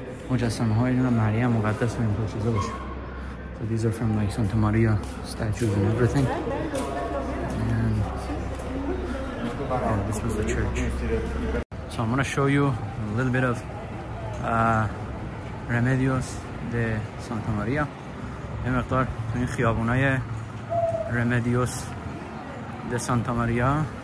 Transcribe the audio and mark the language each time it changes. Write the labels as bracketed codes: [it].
[fa] مجسمه های اینا مریم مقدس و این طور چیزا باشه. [en] So these are from like Santa Maria statues and everything. And this was the church. So I'm going to show you a little bit of Remedios de Santa Maria. [fa] یه مقدار تو این خیابونای Remedios de Santa Maria.